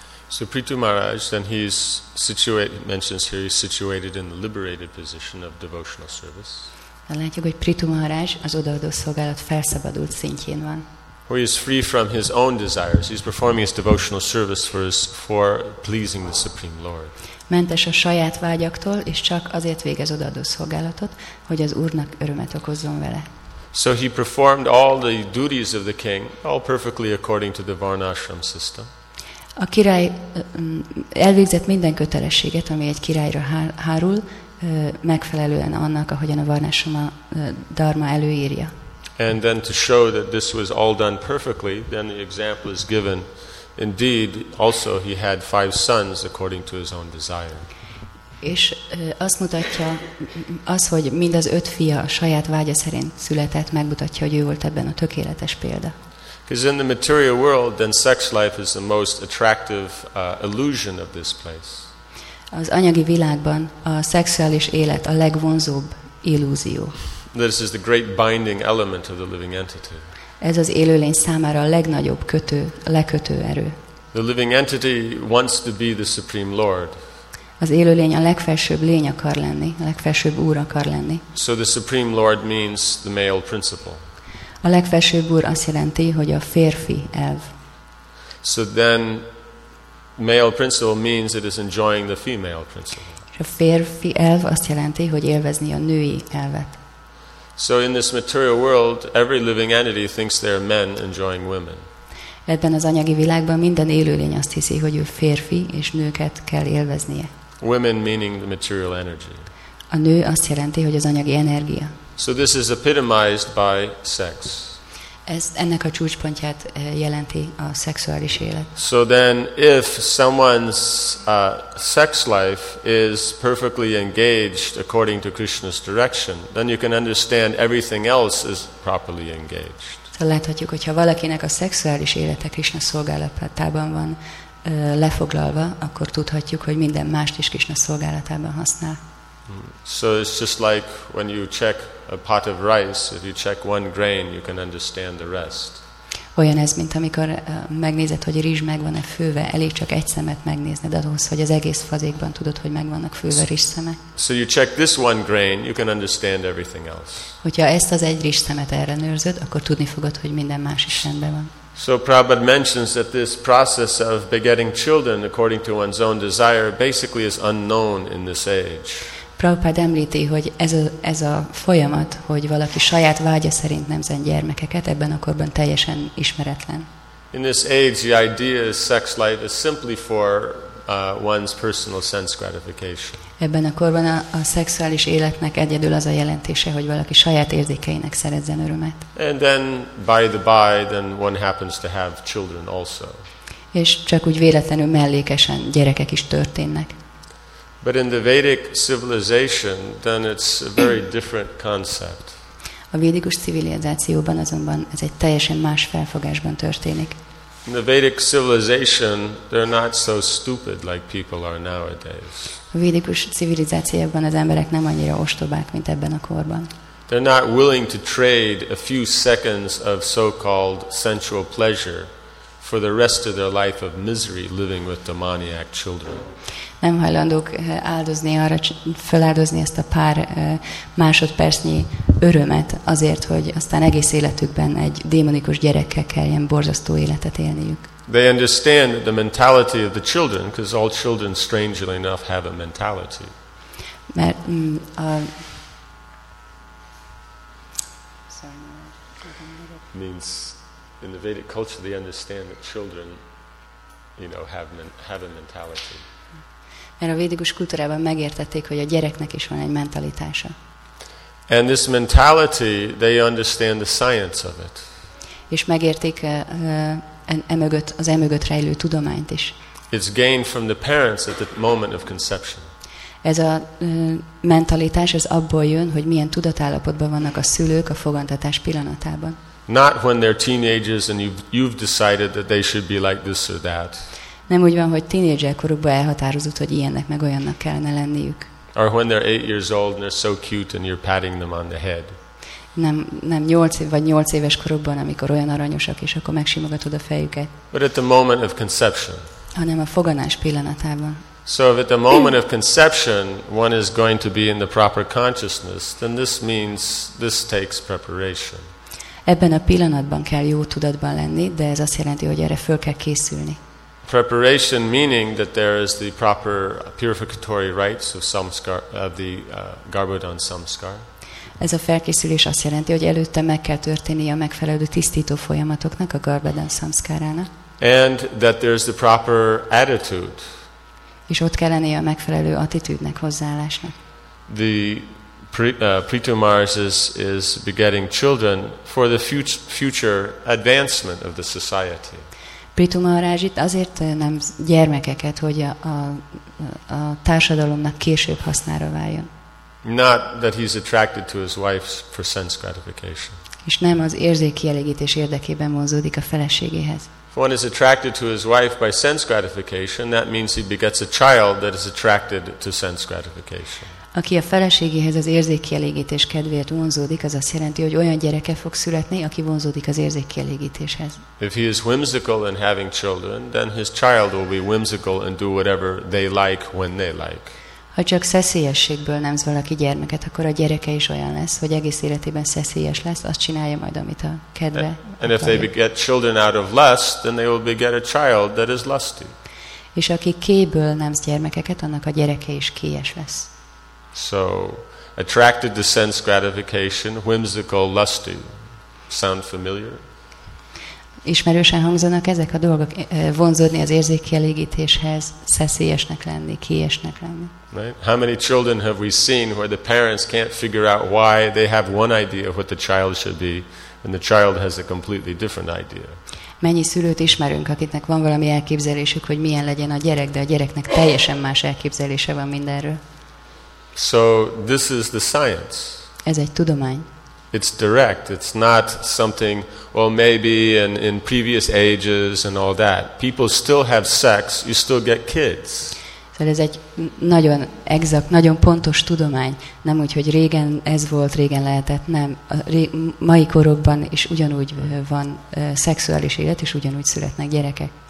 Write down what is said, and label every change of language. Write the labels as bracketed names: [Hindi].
[English] So Prithu Maharaj, then he's situated, mentions here, he's situated in the liberated position of devotional service. [Hungarian] Látjuk, hogy Prithu Maharaj az odaadó szolgálat felszabadult szintjén van. [English] He is free from his own desires. He's performing his devotional service for pleasing the Supreme Lord. [Hungarian] Mentes a saját vágyaktól, és csak azért végez odaadó szolgálatot, hogy az Úrnak örömet okozzon vele. [English] So he performed all the duties of the king, all perfectly according to the Varnashram system. [Hungarian] A király elvégzett minden kötelességet, ami egy királyra hárul, megfelelően annak, ahogyan a Varnashrama dharma előírja. [English] And then to show that this was all done perfectly, then the example is given. Indeed, also he had five sons according to his own desire. [Hungarian] És azt mutatja, az, hogy mindaz öt fia a saját vágya szerint született, megmutatja, hogy ő volt ebben a tökéletes példa. [English] Because in the material world, then sex life is the most attractive illusion of this place. [Hungarian] Az anyagi világban a szexuális élet a legvonzóbb illúzió. [English] This is the great binding element of the living entity. [Hungarian] Ez az élőlény számára a legnagyobb kötő, a lekötő erő. [English] The living entity wants to be the supreme lord. [Hungarian] Az élőlény a legfelsőbb lény akar lenni, a legfelsőbb úr akar lenni. [English] So the supreme lord means the male principle. [Hungarian] A legfelsőbb úr azt jelenti, hogy a férfi elv. [English] So then male principle means it is enjoying the female principle. [Hungarian] És a férfi elv azt jelenti, hogy élvezni a női elvet. [English] So in this material world every living entity thinks they are men enjoying women. [Hungarian] Ebben az anyagi világban minden élőlény azt hiszi, hogy ő férfi és nőket kell élveznie. [English] Women meaning the material energy. [Hungarian] A nő azt jelenti, hogy az anyagi energia. [English] So this is epitomized by sex. [Hungarian] Ez ennek a csúcspontját jelenti a szexuális élet. [English] So then if someone's sex life is perfectly engaged according to Krishna's direction, then you can understand everything else is properly engaged. [Hungarian] Tehát láthatjuk, hogyha valakinek a szexuális élete Krishna szolgálatában van lefoglalva, akkor tudhatjuk, hogy minden mást is Krishna szolgálatában használ. [English] So it's just like when you check a pot of rice, if you check one grain, you can understand the rest. [Hungarian] Olyan ez, mint amikor megnézed, hogy a rizs meg van-e főve, elég csak egy szemet megnézned ahhoz, hogy az egész fazékban tudod, hogy megvannak főve rizs szemek. [English] So you check this one grain, you can understand everything else. [Hungarian] Hogyha ezt az egy rizs szemet ellenőrzöd, akkor tudni fogod, hogy minden más is rendben van. [English] So Prabhupada mentions that this process of begetting children according to one's own desire basically is unknown in this age. [Hungarian] Prabhupada említi, hogy ez a folyamat, hogy valaki saját vágya szerint nemzen gyermekeket, ebben a korban teljesen ismeretlen. [English] In this age, the idea is sex life is simply for one's personal sense gratification. [Hungarian] Ebben a korban a szexuális életnek egyedül az a jelentése, hogy valaki saját érzékeinek szerezzen örömet. [English] And then, by the by, then one happens to have children also. [Hungarian] És csak úgy véletlenül mellékesen gyerekek is történnek. [English] But in the Vedic civilization, then it's a very different concept. [Hungarian] A védikus civilizációban azonban ez egy teljesen más felfogásban történik. [English] In the Vedic civilization, they're not so stupid like people are nowadays. [Hungarian] A védikus civilizációban az emberek nem annyira ostobák, mint ebben a korban. [English] They're not willing to trade a few seconds of so-called sensual pleasure for the rest of their life of misery living with demoniac children. [Hungarian] Nem hajlandók áldozni arra, feláldozni ezt a pár másodpercnyi örömet azért, hogy aztán egész életükben egy démonikus gyerekkel kelljen borzasztó életet élniük. [English] They understand the mentality of the children, because all children, strangely enough, have a mentality. [Hungarian] Mert [English] means in the Vedic culture they understand that children, you know, have a mentality. [Hungarian] Mert a védikus kultúrában megértették, hogy a gyereknek is van egy mentalitása. [English] And this mentality, they understand the science of it. [Hungarian] És megértik emögött rejlő tudományt is. [English] It's gained from the parents at the moment of conception. [Hungarian] Ez a mentalitás, ez abból jön, hogy milyen tudatállapotban vannak a szülők a fogantatás pillanatában. [English] Not when they're teenagers and you've decided that they should be like this or that. [Hungarian] Nem úgy van, hogy tínédzser korukban elhatározott, hogy ilyennek meg olyannak kellene lenniük. [English] Or when they're 8 years old and they're so cute and you're patting them on the head. [Hungarian] Nem 8 év vagy 8 éves korukban, amikor olyan aranyosak, és akkor megsimogatod a fejüket. [English] But at the moment of conception. [Hungarian] Hanem a foganás pillanatában. [English] So if at the moment of conception one is going to be in the proper consciousness, then this means this takes preparation. [Hungarian] Ebben a pillanatban kell jó tudatban lenni, de ez azt jelenti, hogy erre föl kell készülni. [English] Preparation meaning that there is the proper purificatory rites of samskara, of the garbhodan samskara. [Hungarian] Ez a felkészülés azt jelenti, hogy előtte meg kell történnie a megfelelő tisztító folyamatoknak, a garbhodan samskarának. [English] And that there is the proper attitude. [Hungarian] És ott kell lennie a megfelelő attitűdnek, hozzáállásnak. [English] The Pritumars is begetting children for the future advancement of the society. [Hungarian] Pritumaraj itt azért nem gyermekeket, hogy a társadalomnak később hasznára váljon. [English] Not that he's attracted to his wife for sense gratification. [Hungarian] És nem az érzékkielégítés érdekében vonzódik a feleségéhez. [English] One is attracted to his wife by sense gratification, that means he begets a child that is attracted to sense gratification. [Hungarian] Aki a feleségéhez az érzékkielégítés kedvéért vonzódik, az azt jelenti, hogy olyan gyereke fog születni, aki vonzódik az érzékkielégítéshez. [English] If he is whimsical in having children, then his child will be whimsical and do whatever they like when they like. [Hungarian] Ha csak szeszélyességből nemz valaki gyermeket, akkor a gyereke is olyan lesz, hogy egész életében szeszélyes lesz, azt csinálja majd, amit a kedve. [English] And if they beget children out of lust, then they will beget a child that is lusty. [Hungarian] És aki kéből nemz gyermekeket, annak a gyereke is kéjes lesz. [English] So, attracted to sense gratification, whimsical, lusty. Sound familiar? [Hungarian] Ismerősen hangzanak ezek a dolgok, vonzódni az érzékkielégítéshez, szeszélyesnek lenni, kiesnek lenni. [English] Right? How many children have we seen where the parents can't figure out why they have one idea of what the child should be, and the child has a completely different idea? [Hungarian] Mennyi szülőt ismerünk, akiknek van valami elképzelésük, hogy milyen legyen a gyerek, de a gyereknek teljesen más elképzelése van mindenről. [English] So this is the science. [Hungarian] Ez egy tudomány. [English] It's direct. It's not something, well, maybe in previous ages and all that. People still have sex. You still get kids. [Hungarian] Szóval ez egy nagyon exakt, nagyon pontos tudomány. Nem úgy, hogy régen ez volt, régen lehetett. Nem. Mai korokban is ugyanúgy van szexuális élet, és ugyanúgy születnek gyerekek.